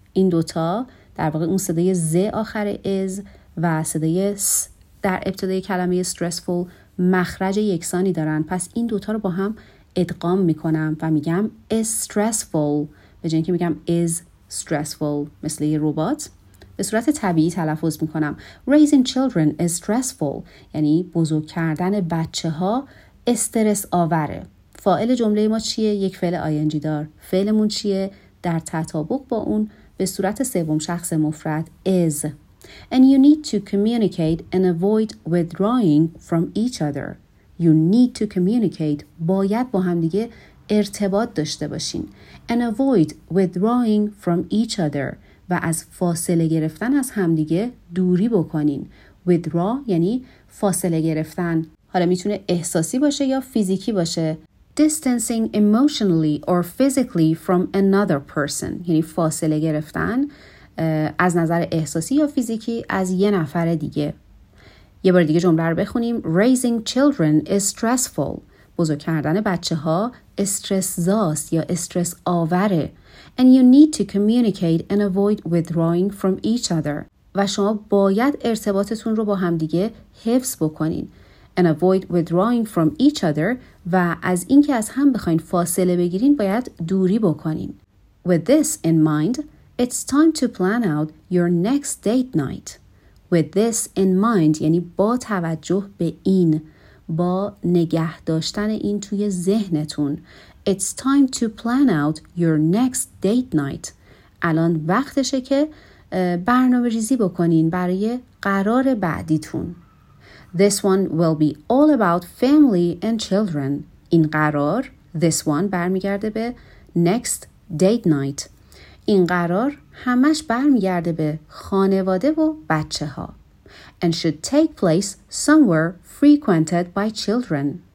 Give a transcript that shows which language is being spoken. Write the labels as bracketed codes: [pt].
[fa] این دوتا در واقع اون صدای ز آخر is و صدای س در ابتدای کلمه stressful مخرج یکسانی دارن، پس این دوتا رو با هم ادغام میکنم و میگم is stressful، به جای اینکه میگم is stressful مثل یه ربات، به صورت طبیعی تلفظ میکنم. [en] raising children is stressful [fa] یعنی بزرگ کردن بچه ها استرس آوره. فاعل جمله ما چیه؟ یک فعل ing دار. فعلمون چیه؟ در تطابق با اون به صورت سوم شخص مفرد is. [en] And you need to communicate and avoid withdrawing from each other. You need to communicate. [fa] باید با هم دیگه ارتباط داشته باشین. [en] And avoid withdrawing from each other. [fa] و از فاصله گرفتن از هم دیگه دوری بکنین. Withdraw یعنی فاصله گرفتن. حالا میتونه احساسی باشه یا فیزیکی باشه. [en] Distancing emotionally or physically from another person. [fa] یعنی فاصله گرفتن از نظر احساسی یا فیزیکی از یه نفر دیگه. یه بار دیگه جمله رو بخونیم. [en] Raising children is stressful. [fa] بزرگ کردن بچه ها استرس زاست یا استرس آوره. [en] And you need to communicate and avoid withdrawing from each other. [fa] و شما باید ارتباطتون رو با هم دیگه حفظ بکنین. [en] And avoid withdrawing from each other. [fa] و از اینکه از هم بخواین فاصله بگیرین باید دوری بکنین. [en] With this in mind, it's time to plan out your next date night. With this in mind, [fa] یعنی با توجه به این، با نگه داشتن این توی ذهنتون. [en] It's time to plan out your next date night. [fa] الان وقتشه که برنامه ریزی بکنین برای قرار بعدیتون. [en] This one will be all about family and children. [fa] این قرار, this one, برمیگرده به [en] next date night. [fa] این قرار همش برمیگرده به خانواده و بچه ها. [en] And should take place somewhere frequented by children.